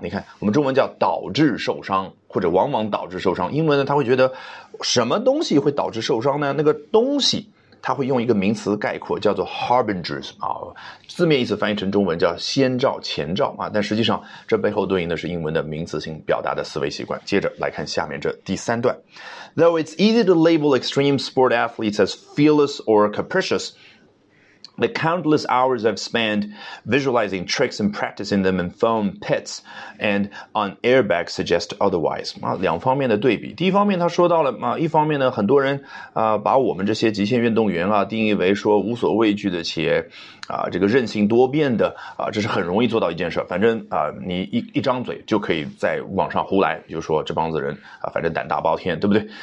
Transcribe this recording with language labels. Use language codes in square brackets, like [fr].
[zh] 你看我们中文叫导致受伤，或者往往导致受伤，英文呢他会觉得什么东西会导致受伤呢？那个东西他会用一个名词概括，叫做 harbingers 啊，字面意思翻译成中文叫先兆、前兆啊，但实际上这背后对应的是英文的名词性表达的思维习惯。接着来看下面这第三段。 [en] Though it's easy to label extreme sport athletes as fearless or capricious, the countless hours I've spent visualizing tricks and practicing them in foam pits and on airbags suggest otherwise。 [zh] 啊，两方面的对比。第一方面他说到了啊，一方面呢，很多人把我们这些极限运动员啊定义为说无所畏惧的，且这个任性多变的这是很容易做到一件事，反正你一张嘴就可以在网上胡来，就说这帮子人反正胆大包天，对不对？